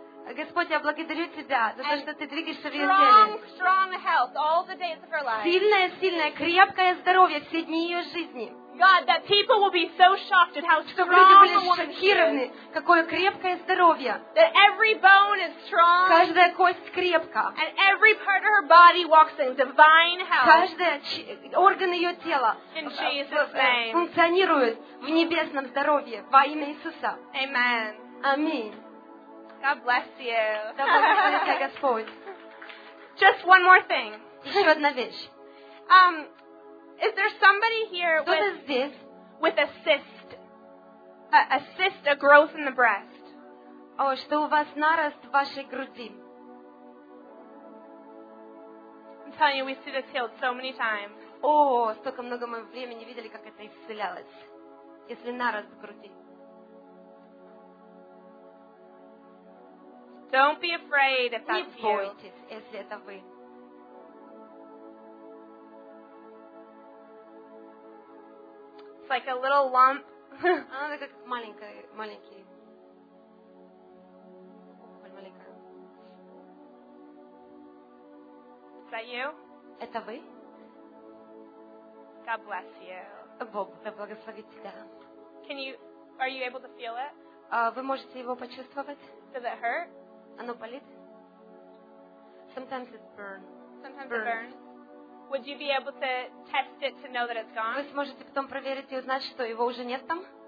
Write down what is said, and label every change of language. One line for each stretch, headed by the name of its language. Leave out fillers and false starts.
Russian: Господь, я благодарю Тебя за то, что Ты двигаешься в ее теле.
English: Strong, strong health all the days of her life.
Russian: Сильное, сильное, крепкое здоровье все дни ее жизни.
English: God, that people will be so shocked at how strong a woman is.
Russian: Какое крепкое здоровье.
English: That every bone is strong.
Russian: Каждая кость крепка.
English: And every part of her body walks in divine health.
Russian: Каждый орган ее тела
English: in Jesus' name.
Russian: Функционирует в небесном здоровье во имя Иисуса.
English: Amen.
Russian: Аминь.
English: God bless you.
Russian: Да благословит тебя Господь.
English: Just one more thing.
Russian: Еще одна вещь.
English: Is there somebody here with a cyst? A cyst, a growth in the breast.
Russian: О, что у вас нарост в вашей груди?
English: I'm telling you, we see this healed so many times.
Russian: О, столько много мы времени видели, как это исцелялось. Если нарост в груди.
English: Don't be afraid if that's you.
Russian: Не бойтесь, если это вы.
English: Like a little lump. Is that you?
Russian: Это вы?
English: God bless you.
Russian: Бог да благословит тебя.
English: Can you? Are you able to feel it?
Russian: Вы можете его почувствовать?
English: Does it hurt?
Russian: Оно болит?
English: Sometimes it burns. Sometimes it burns. Would you be able to test it to know that it's gone?
Russian: Вы сможете потом проверить и узнать, что его уже нет там?